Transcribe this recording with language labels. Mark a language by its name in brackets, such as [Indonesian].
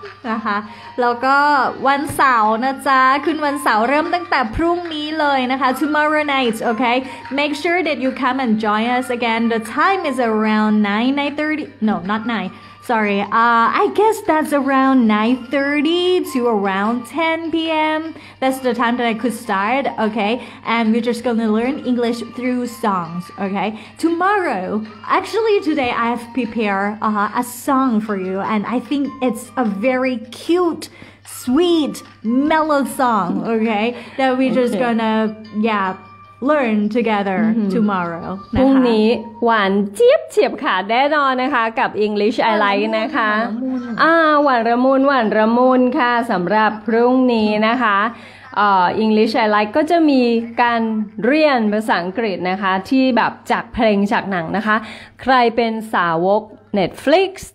[Thai] นะคะแล้วก็วันเสาร์นะจ๊ะคืนวันเสาร์เริ่มตั้งแต่พรุ่งนี้เลยนะคะ [English] tomorrow night okay make sure that you come and join us again the time is around 9:30 no not 9 sorry I guess that's around 9:30 to around 10 p.m. That's the time that I could start, okay? And we're just gonna learn English through songs, okay? Tomorrow, actually today I have prepared a song for you and I think it's a very cute, sweet, mellow song, okay? That we're just gonna, yeah,learn together tomorrow [Thai] พรุ่งนี้หวานเจี๊ยบเฉียบขาดแน่นอนนะคะกับ English I like นะคะหวานระมุนหวานระมุนค่ะสำหรับพรุ่งนี้นะคะEnglish I like ก็จะมีการเรียนภาษาอังกฤษนะคะที่แบบจากเพลงจากหนังนะคะใครเป็นสาวก Netflix